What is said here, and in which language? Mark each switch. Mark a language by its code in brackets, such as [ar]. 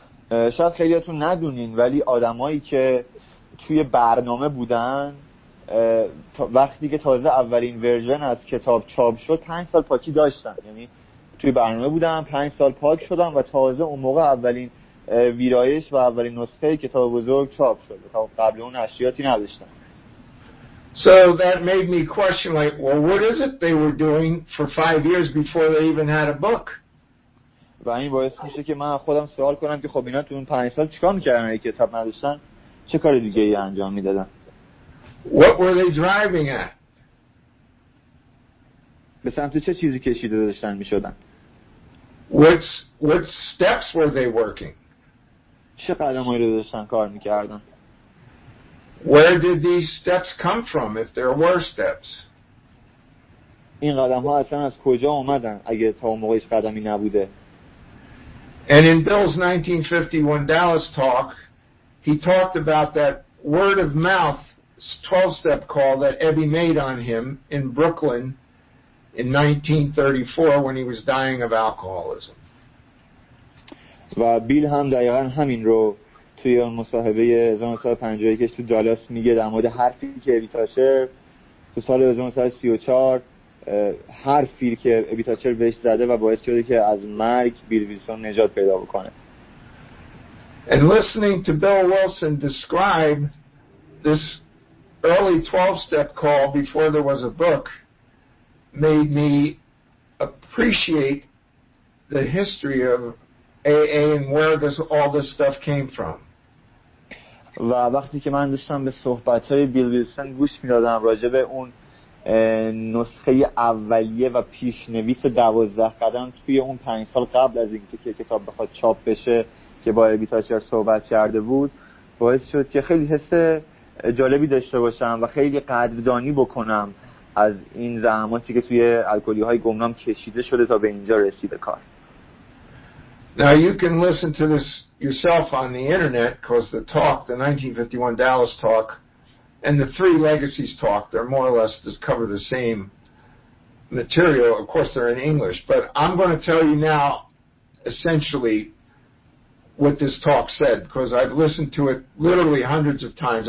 [fa] شاید خیلیاتون ندونین ولی آدمایی که توی برنامه بودن وقتی که تازه اولین ورژن از کتاب چاپ شد 5 سال پاکی داشتن، یعنی توی برنامه بودن 5 سال پاک شدن و تازه اون موقع اولین ویرایش و اولین نسخه کتاب بزرگ چاپ شد، قبل اون اشیاتی نداشتن. [en] So that made me question like, well, what is it they were doing for 5 years before they even had a book? [fa] و این باعث میشه که من خودم سوال کنم که خب اینا تو اون 5 سال چیکار میکردن؟ یک کتاب نداشتن چه کار دیگه ای انجام میدادن؟ [en] What were they driving at? [fa] به سمت چه چیزی کشیده داشتن میشدن؟ [en] What steps were they working? [fa] چه قدم هایی داشتن کار میکردن؟ [en] Where did these steps come from if there were steps? [fa] این قدم ها اصلا از کجا اومدن اگه تا اون موقعش قدمی نبوده؟ [en] And in Bill's 1951 Dallas talk, he talked about that word of mouth 12-step call that Ebby made on him in Brooklyn in 1934 when he was dying of alcoholism. [fa] و بیل هم دقیقاً همین رو توی اون مصاحبه 1951 که تو دالاس میگه در مورد حرفی که ابی تاچر تو سال 1934 حرفی که ابی تاچر بهش زده و باعث شده که از مرگ بیل ویلسون نجات پیدا بکنه. [en] And listening to Bill Wilson describe this early 12-step call before there was a book made me appreciate the history of AA and where this all this stuff came from. [fa] و وقتی که من داشتم به صحبت‌های بیل ویلسون گوش می‌دادم راجع به اون نسخه اولیه و پیشنویس 12 قدم توی اون 5 سال قبل از اینکه کتاب بخواد چاپ بشه که با ابی تاچر صحبت کرده بود، باعث شد که خیلی حس جالبی داشته باشم و خیلی قدردانی بکنم از این زحماتی که توی الکلی‌های گمنام کشیده شده تا به اینجا رسیده کار. [en] Now you can listen to this yourself on the internet because the talk, the 1951 Dallas talk, and the Three Legacies talk, they're more or less just cover the same material. Of course, they're in English, but I'm going to tell you now essentially what this talk said because I've listened to it literally hundreds of times.